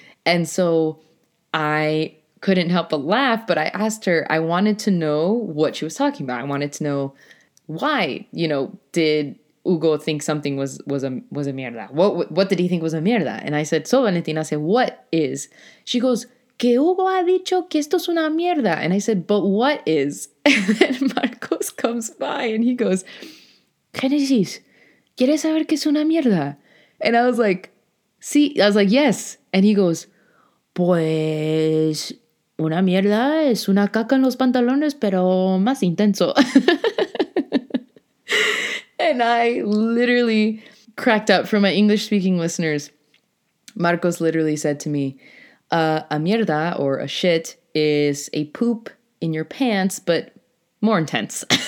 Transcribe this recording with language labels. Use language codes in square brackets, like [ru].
[en] And so I couldn't help but laugh, but I asked her, I wanted to know what she was talking about. I wanted to know why, you know, did Hugo think something was a mierda? What did he think was a mierda? And I said, so Valentina, I said, what is? She goes, [es] que Hugo ha dicho que esto es una mierda. [en] And I said, but what is? And then Marcos comes by and he goes, [es] ¿qué dices? ¿Quieres saber que es una mierda? [en] And I was like, sí. I was like, yes. And he goes, [es] pues una mierda es una caca en los pantalones, pero más intenso. [en] And I literally cracked up. For my English-speaking listeners, Marcos literally said to me, a mierda, or a shit, is a poop in your pants, but more intense.